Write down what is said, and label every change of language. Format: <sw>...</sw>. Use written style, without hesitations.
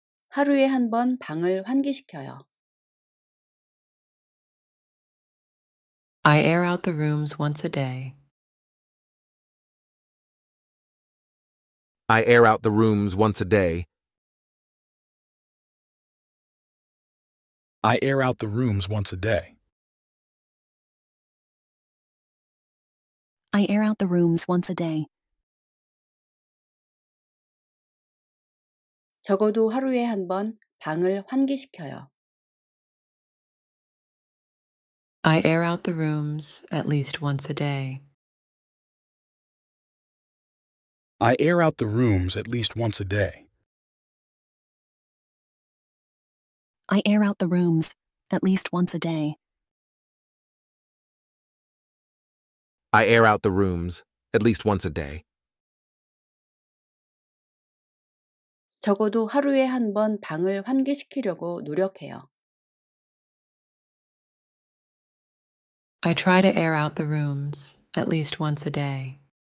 <ko>하루에 한 번 방을 환기시켜요.</ko> <en>I air out the rooms once a day. I air out the rooms once a day. I air out the rooms once a day. I air out the rooms once a day.</en> <ko>적어도 하루에 한 번 방을 환기시켜요.</ko> <en>I air out the rooms at least once a day. I air out the rooms at least once a day. I air out the rooms at least once a day. I air out the rooms at least once a day.</en> <ko>적어도 하루에 한 번 방을 환기시키려고 노력해요.</ko> <en>I try to air out the rooms at least once a day.</en>